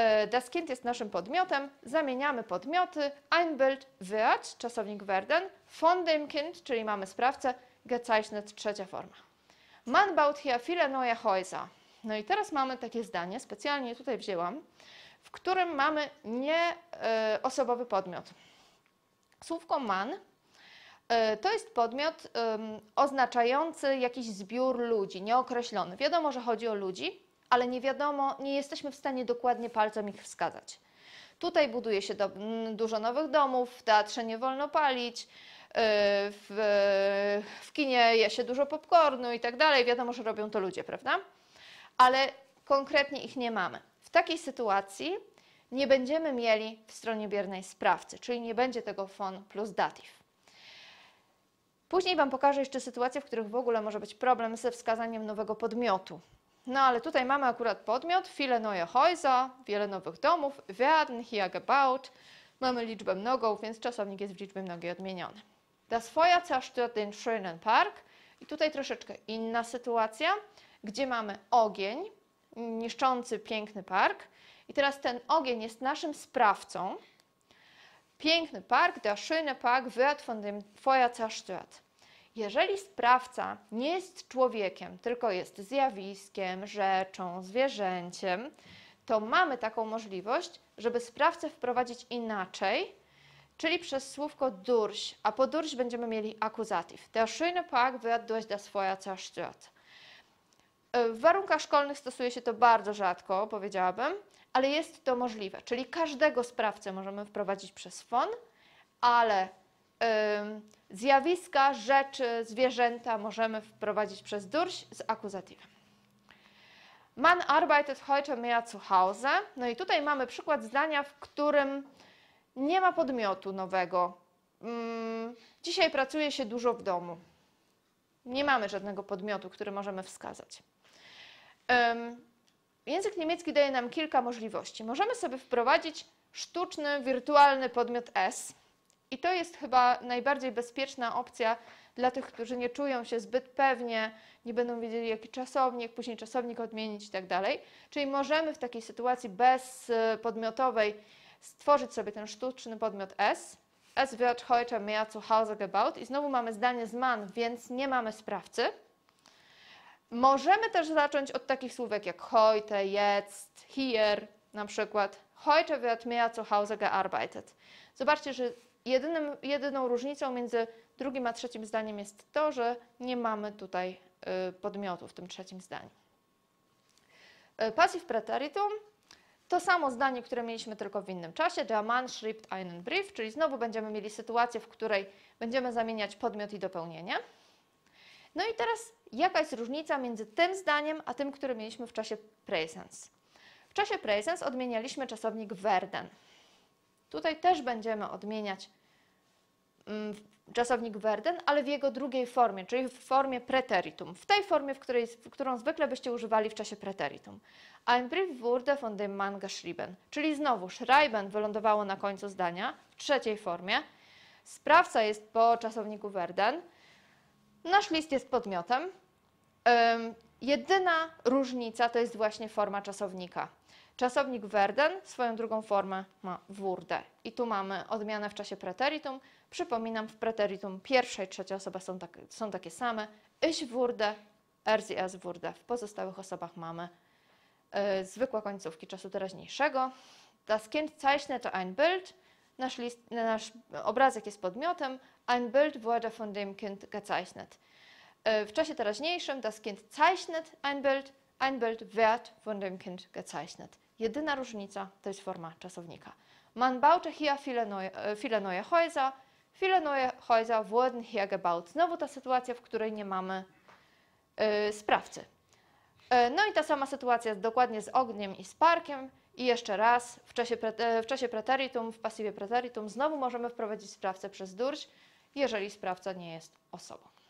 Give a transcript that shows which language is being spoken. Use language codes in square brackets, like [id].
[de] Das Kind [pl] jest naszym podmiotem. Zamieniamy podmioty. [de] Ein Bild wird, [pl] czasownik werden. [de] Von dem Kind, [pl] czyli mamy sprawcę. gezeichnet, trzecia forma. [de] Man baut hier viele neue Häuser. [pl] No i teraz mamy takie zdanie, specjalnie tutaj wzięłam, w którym mamy nieosobowy podmiot. Słówko man to jest podmiot oznaczający jakiś zbiór ludzi, nieokreślony. Wiadomo, że chodzi o ludzi, ale nie wiadomo, nie jesteśmy w stanie dokładnie palcem ich wskazać. Tutaj buduje się dużo nowych domów, w teatrze nie wolno palić, w kinie je się dużo popcornu i tak dalej. Wiadomo, że robią to ludzie, prawda? Ale konkretnie ich nie mamy. W takiej sytuacji nie będziemy mieli w stronie biernej sprawcy, czyli nie będzie tego von plus dativ. Później Wam pokażę jeszcze sytuacje, w których w ogóle może być problem ze wskazaniem nowego podmiotu. No ale tutaj mamy akurat podmiot, [de] viele neue Häuser, [pl] wiele nowych domów, [de] werden hier gebaut, [pl] mamy liczbę mnogą, więc czasownik jest w liczbie mnogiej odmieniony. [de] Das Feuer zerstört den schönen Park. [pl] I tutaj troszeczkę inna sytuacja, gdzie mamy ogień niszczący piękny park. I teraz ten ogień jest naszym sprawcą. Piękny park, [de] der schöne Park wird von dem Feuer zerstört. [pl] Jeżeli sprawca nie jest człowiekiem, tylko jest zjawiskiem, rzeczą, zwierzęciem, to mamy taką możliwość, żeby sprawcę wprowadzić inaczej, czyli przez słówko durch, a po durch będziemy mieli akuzatyw. [de] Der schöne Park wird durch das Feuer zerstört. [pl] W warunkach szkolnych stosuje się to bardzo rzadko, powiedziałabym, ale jest to możliwe. Czyli każdego sprawcę możemy wprowadzić przez von, ale zjawiska, rzeczy, zwierzęta możemy wprowadzić przez durch z akuzatywem. [de] Man arbeitet heute mehr zu Hause. [pl] No i tutaj mamy przykład zdania, w którym nie ma podmiotu nowego. Dzisiaj pracuje się dużo w domu. Nie mamy żadnego podmiotu, który możemy wskazać. Język niemiecki daje nam kilka możliwości. Możemy sobie wprowadzić sztuczny, wirtualny podmiot S. I to jest chyba najbardziej bezpieczna opcja dla tych, którzy nie czują się zbyt pewnie, nie będą wiedzieli, jaki czasownik, później czasownik odmienić i tak dalej. Czyli możemy w takiej sytuacji bezpodmiotowej stworzyć sobie ten sztuczny podmiot S. [de] Es wird heute mehr zu Hause gebaut. [pl] I znowu mamy zdanie z man, więc nie mamy sprawcy. Możemy też zacząć od takich słówek jak heute, jetzt, hier na przykład. [de] Heute wird mehr zu Hause gearbeitet. [pl] Zobaczcie, że jedyną różnicą między drugim a trzecim zdaniem jest to, że nie mamy tutaj podmiotu w tym trzecim zdaniu. Passiv Präteritum to samo zdanie, które mieliśmy tylko w innym czasie. [de] Der Mann schrieb einen Brief, [pl] czyli znowu będziemy mieli sytuację, w której będziemy zamieniać podmiot i dopełnienie. No i teraz jaka jest różnica między tym zdaniem, a tym, które mieliśmy w czasie Präsens? W czasie Präsens odmienialiśmy czasownik werden. Tutaj też będziemy odmieniać czasownik werden, ale w jego drugiej formie, czyli w formie preteritum. W tej formie, w którą zwykle byście używali w czasie preteritum. [de] Ein Brief wurde von dem Mann geschrieben. [pl] Czyli znowu schreiben wylądowało na końcu zdania, w trzeciej formie. Sprawca jest po czasowniku werden. Nasz list jest podmiotem. Jedyna różnica to jest właśnie forma czasownika. Czasownik werden swoją drugą formę ma wurde. I tu mamy odmianę w czasie preteritum. Przypominam, w preteritum pierwsza i trzecia osoba są takie same. [de] Ich wurde, er sie es wurde. [pl] W pozostałych osobach mamy zwykłe końcówki czasu teraźniejszego. [de] Das Kind zeichnet ein Bild. [pl] Nasz obrazek jest podmiotem. [de] Ein Bild wurde von dem Kind gezeichnet. [pl] W czasie teraźniejszym [de] das Kind zeichnet ein Bild. Ein Bild wird von dem Kind gezeichnet. [pl] Jedyna różnica to jest forma czasownika. [de] Man baute hier viele neue Häuser. Viele neue Häuser wurden hier gebaut. [pl] Znowu ta sytuacja, w której nie mamy sprawcy. No i ta sama sytuacja dokładnie z ogniem i z parkiem. I jeszcze raz, w czasie preteritum, w pasywie preteritum, znowu możemy wprowadzić sprawcę przez durch, jeżeli sprawca nie jest osobą.